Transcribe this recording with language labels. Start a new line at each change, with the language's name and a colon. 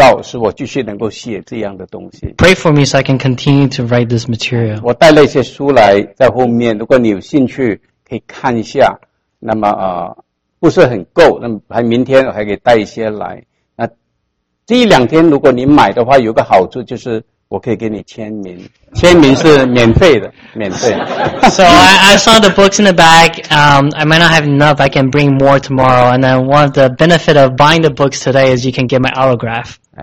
Chinese: 要为我祷告，使我继续能够写这样的东西。
English: Pray for me so I can continue to write this material.
Chinese: 我带了一些书来在后面，如果你有兴趣可以看一下。那么。不是很够，那还明天我还可以带一些来。那这一两天如果你买的话，有个好处就是我可以给你签名，签名是免费的，免费。
English: So I saw the books in the back. I might not have enough. I can bring more tomorrow. And then one of the benefit of buying the books today is you can get my autograph.